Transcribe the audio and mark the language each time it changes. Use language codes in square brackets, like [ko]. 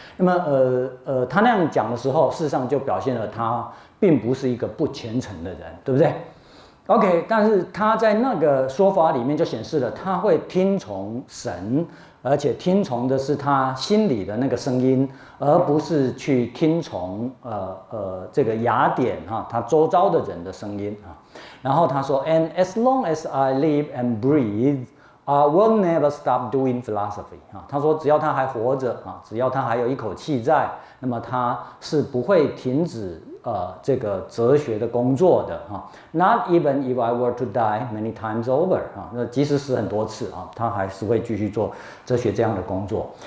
[zh] 那么他那样讲的时候，事实上就表现了他并不是一个不虔诚的人，对不对 ？OK， 但是他在那个说法里面就显示了他会听从神。而且听从的是他心里的那个声音，而不是去听从这个雅典哈他周遭的人的声音啊。然后他说 [en] ，And as long as I live and breathe, I will never stop doing philosophy 啊。 [zh] 他说，只要他还活着啊，只要他还有一口气在，那么他是不会停止这个哲学的工作的啊。 [en] Not even if I were to die many times over [zh] 啊，那即使死很多次啊，他还是会继续做哲学这样的工作。